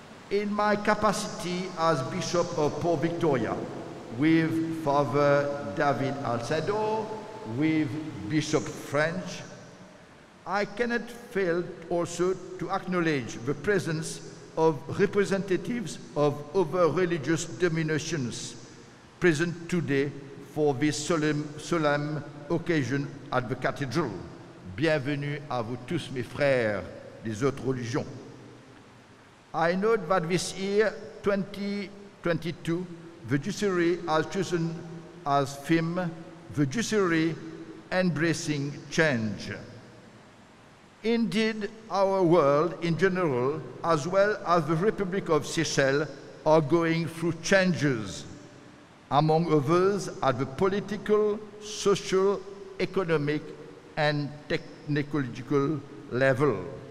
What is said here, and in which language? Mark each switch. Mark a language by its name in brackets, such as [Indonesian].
[English] In my capacity as Bishop of Port Victoria, with Father David Alcedo, with Bishop French, I cannot fail also to acknowledge the presence of representatives of other religious denominations present today for this solemn occasion at the cathedral. [French] Bienvenue à vous tous, mes frères des autres religions. [English] I note that this year, 2022, the judiciary has chosen as theme the judiciary embracing change. Indeed, our world in general, as well as the Republic of Seychelles, are going through changes, among others at the political, social, economic, and technological level.